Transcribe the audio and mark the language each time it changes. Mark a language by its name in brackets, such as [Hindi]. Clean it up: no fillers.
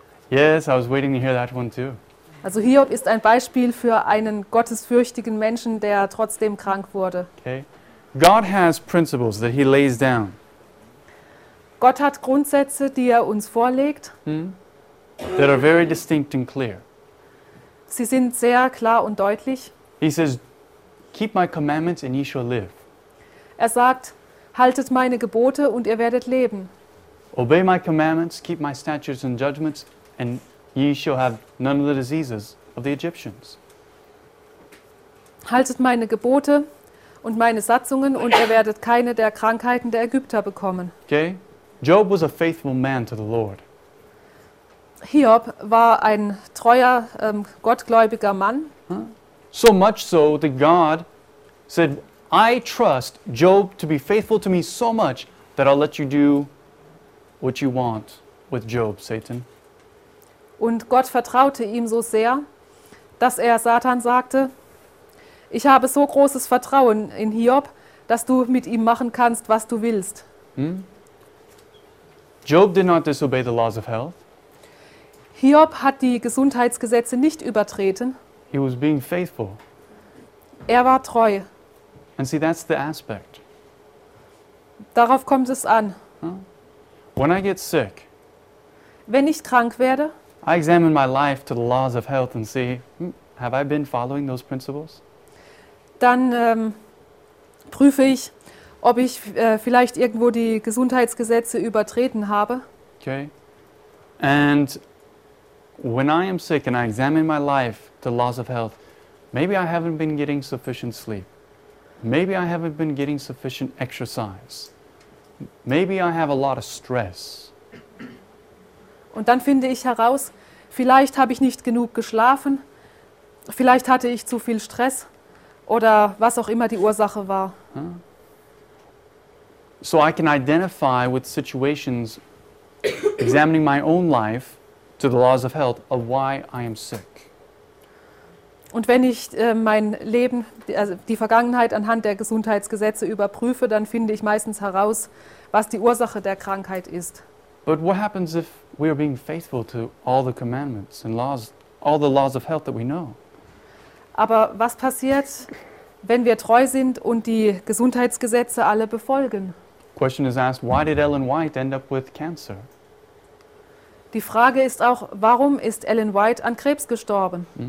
[English] Yes, I was waiting to hear that one too. [German] Also Hiob ist ein Beispiel für einen gottesfürchtigen Menschen, der trotzdem krank wurde. [English] Okay. God has principles that he lays down. [German] Gott hat Grundsätze, die er uns vorlegt. [English] That are very distinct and clear. [German] Sie sind sehr klar und deutlich. [English] He says, keep my commandments and ye shall live. [German] Er sagt, haltet meine Gebote und ihr werdet leben. [English] Obey my commandments, keep my statutes and judgments, and ye shall have none of the diseases of the Egyptians. [German] Haltet meine Gebote und meine Satzungen und ihr werdet keine der Krankheiten der Ägypter bekommen. Okay. [English] Job was a faithful man to the Lord. [German] Hiob war ein treuer, gottgläubiger Mann. [English] So much so that God said, I trust Job to be faithful to me so much that I'll let you do what you want with Job, Satan. [German] Und Gott vertraute ihm so sehr, dass er Satan sagte, ich habe so großes Vertrauen in Hiob, dass du mit ihm machen kannst, was du willst. [English] Job did not disobey the laws of health. [German] Hiob hat die Gesundheitsgesetze nicht übertreten. [English] He was being faithful. [German] Er war treu. [English] And see, that's the aspect. [German] Darauf kommt es an. [English] When I get sick, [German] wenn ich krank werde, [English] I examine my life to the laws of health and see, have I been following those principles? [German] Dann prüfe ich, ob ich vielleicht irgendwo die Gesundheitsgesetze übertreten habe. Okay. [English] And when I am sick and I examine my life to the laws of health, maybe I haven't been getting sufficient sleep. Maybe I haven't been getting sufficient exercise. Maybe I have a lot of stress. [German] Und dann finde ich heraus, vielleicht habe ich nicht genug geschlafen, vielleicht hatte ich zu viel Stress oder was auch immer die Ursache war. [English] So I can identify with situations examining my own life to the laws of health of why I am sick. [German] Und wenn ich mein Leben, also die Vergangenheit anhand der Gesundheitsgesetze überprüfe, dann finde ich meistens heraus, was die Ursache der Krankheit ist. [English] But what happens if we are being faithful to all the commandments and laws, all the laws of health that we know? [German] Aber was passiert, wenn wir treu sind und die Gesundheitsgesetze alle befolgen? [English] Question is asked, why did Ellen White end up with cancer? [German] Die Frage ist auch, warum ist Ellen White an Krebs gestorben?